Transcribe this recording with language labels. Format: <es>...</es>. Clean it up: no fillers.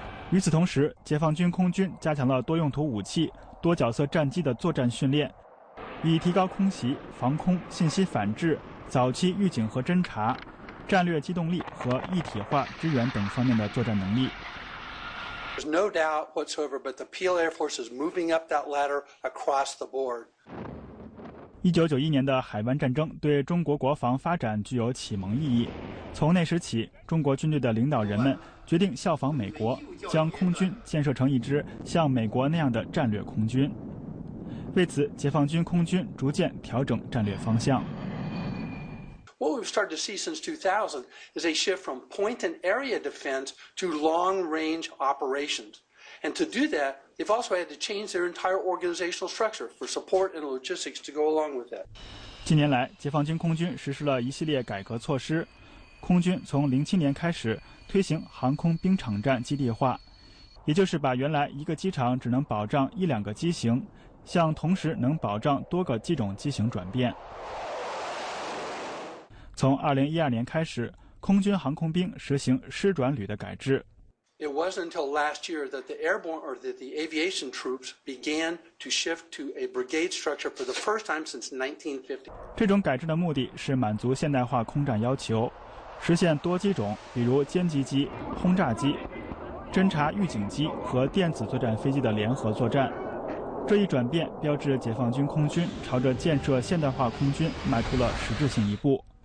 <zh>与此同时，解放军空军加强了多用途武器、多角色战机的作战训练，以提高空袭、防空、信息反制、早期预警和侦察、战略机动力和一体化支援等方面的作战能力。</zh> <en>There's no doubt whatsoever, but the PL Air Force is moving up that ladder across the board.</en> <zh>1991年的海湾战争对中国国防发展具有启蒙意义。从那时起，中国军队的领导人们决定效仿美国，将空军建设成一支像美国那样的战略空军。为此，解放军空军逐渐调整战略方向。</zh> <en>What we've started to see since 2000 is a shift from point and area defense to long-range operations. And to do that, they've also had to change their entire organizational structure for support and logistics to go along with that.</en> <zh>近年来，解放军空军实施了一系列改革措施。空军从2007年开始推行航空兵场战基地化，也就是把原来一个机场只能保障一两个机型，向同时能保障多个机种机型转变。从2012年开始，空军航空兵实行师转旅的改制。</zh> <en>It wasn't until last year that the airborne or that the aviation troops began to shift to a brigade structure for the first time since 1950.</en> <zh>这种改制的目的是满足现代化空战要求，实现多机种，比如歼击机、轰炸机、侦察预警机和电子作战飞机的联合作战。这一转变标志解放军空军朝着建设现代化空军迈出了实质性一步。</zh>